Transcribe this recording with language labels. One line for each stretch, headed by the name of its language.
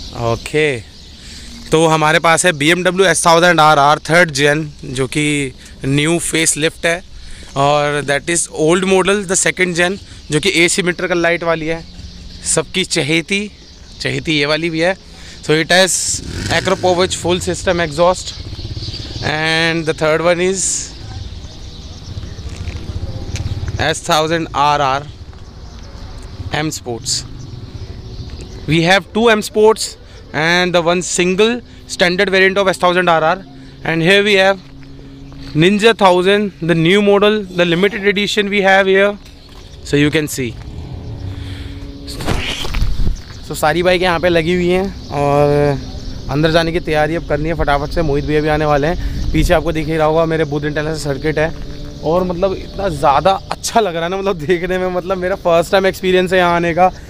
Hindi: Okay, तो हमारे पास है BMW S1000RR थर्ड जेन, जो कि न्यू फेस लिफ्ट है, और
English: that is old model the second gen,
Hindi: जो कि AC मीटर का लाइट वाली है, सबकी चहेती चहेती ये वाली भी है। सो
English: So it has Akrapovic full system exhaust and the third one is S1000RR M Sports. We have two M Sports and the one single standard variant of S1000RR. And here we have Ninja 1000, the new model, the limited edition we have here. So you can see.
Hindi: So सारी bike यहाँ पे लगी हुई हैं और अंदर जाने की तैयारी अब करनी है फटाफट से. मोहित भैया भी आने वाले हैं. पीछे आपको दिख ही रहा होगा मेरे बूथ इंटरनल सर्किट है और मतलब इतना ज़्यादा अच्छा लग रहा है ना, मतलब देखने में, मतलब मेरा फर्स्ट टाइम एक्सपीरियंस है यहाँ आने का.